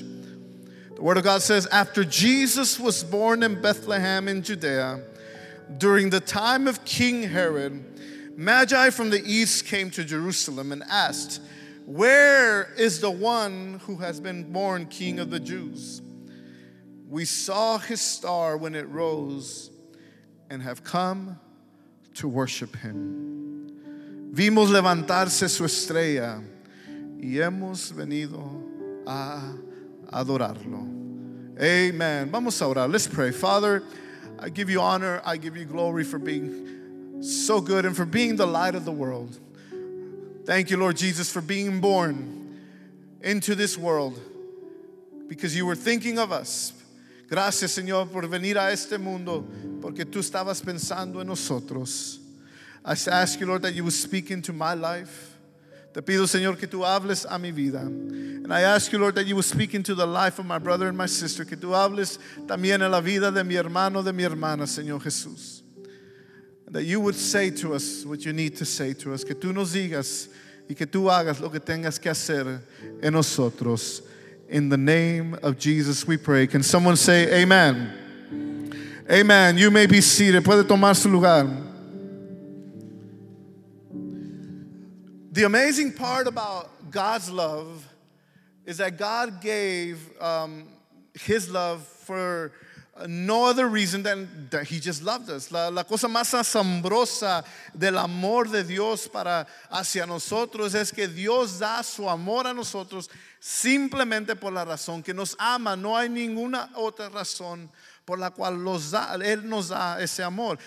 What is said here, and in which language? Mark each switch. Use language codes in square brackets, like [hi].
[en] The Word of God says, after Jesus was born in Bethlehem in Judea, during the time of King Herod, Magi from the east came to Jerusalem and asked, where is the one who has been born King of the Jews? We saw his star when it rose and have come to worship him. [es] Vimos levantarse su estrella y hemos venido a adorarlo. [en] Amen. [es] Vamos a orar. [en] Let's pray. Father, I give you honor. I give you glory for being so good and for being the light of the world. Thank you, Lord Jesus, for being born into this world because you were thinking of us. [es] Gracias, Señor, por venir a este mundo porque tú estabas pensando en nosotros. [en] I ask you, Lord, that you would speak into my life. [es] Te pido, Señor, que tú hables a mi vida. [en] And I ask you, Lord, that you would speak into the life of my brother and my sister. [es] Que tú hables también en la vida de mi hermano, de mi hermana, Señor Jesús. [en] That you would say to us what you need to say to us. [es] Que tú nos digas y que tú hagas lo que tengas que hacer en nosotros. [en] In the name of Jesus we pray. Can someone say amen? Amen. You may be seated. [es] Puede tomar su lugar. [en] The amazing part about God's love is that God gave his love for no other reason than that he just loved us. [es] La cosa más asombrosa del amor de Dios para hacia nosotros es que Dios da su amor a nosotros simplemente por la razón que nos ama. No hay ninguna otra razón por la cual él nos da ese amor.